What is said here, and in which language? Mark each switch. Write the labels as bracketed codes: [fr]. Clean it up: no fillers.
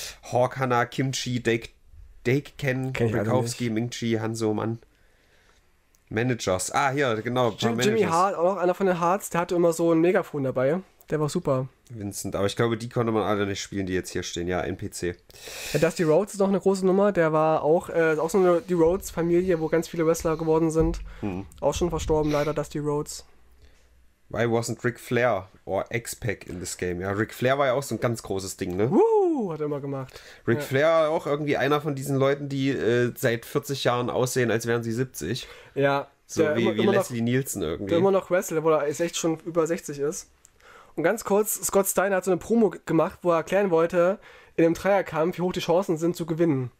[de] Hawk Hanna, Kimchi, Daken, Rakowski, Mingchi, Hanzo, Mann. Managers. Ah, hier, genau. Jimmy Hart, auch noch einer von den Harts, der hatte immer so ein Megafon dabei. Der war super. Vincent, aber ich glaube, die konnte man alle nicht spielen, die jetzt hier stehen. Ja, NPC. Ja, Dusty Rhodes ist noch eine große Nummer. Der war auch, auch so eine die Rhodes-Familie, wo ganz viele Wrestler geworden sind. Hm. Auch schon verstorben, leider, Dusty Rhodes. [en] Why wasn't Ric Flair or X-Pac in this game? [de] Ja, Ric Flair war ja auch so ein ganz großes Ding, ne? Woo, hat er immer gemacht. Ric Flair auch irgendwie einer von diesen Leuten, die seit 40 Jahren aussehen, als wären sie 70. Ja. So wie, immer Leslie noch, Nielsen irgendwie. Der immer noch wrestelt, obwohl er echt schon über 60 ist. Und ganz kurz, Scott Steiner hat so eine Promo gemacht, wo er erklären wollte, in dem Dreierkampf, wie hoch die Chancen sind zu gewinnen.